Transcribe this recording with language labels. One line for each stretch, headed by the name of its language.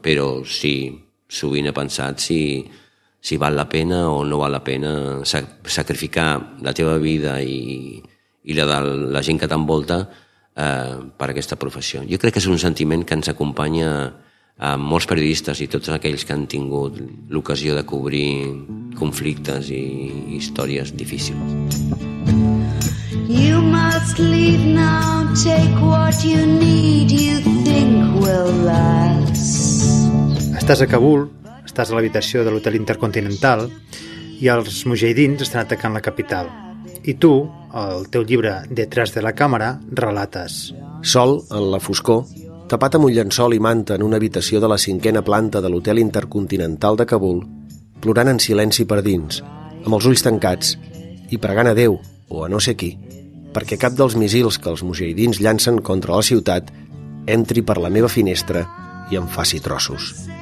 Catalan: Però sí, sovint he pensat si val la pena o no val la pena sacrificar la teva vida i la de la gent que t'envolta per aquesta professió. Jo crec que és un sentiment que ens acompanya a molts periodistes i tots aquells que han tingut l'ocasió de cobrir conflictes i històries difícils.
English: You must leave now, take what you need, you think will last.
Catalan: Estàs a Kabul, estàs a l'habitació de l'hotel Intercontinental i els mujahidins estan atacant la capital. I tu, el teu llibre Detrás de la càmera, relates. Sol, en la foscor, tapat amb un llençol i manta en una habitació de la cinquena planta de l'hotel Intercontinental de Kabul, plorant en silenci per dins, amb els ulls tancats, i pregant a Déu, o a no sé qui, perquè cap dels missils que els mujahidins llancen contra la ciutat entri per la meva finestra i em faci trossos.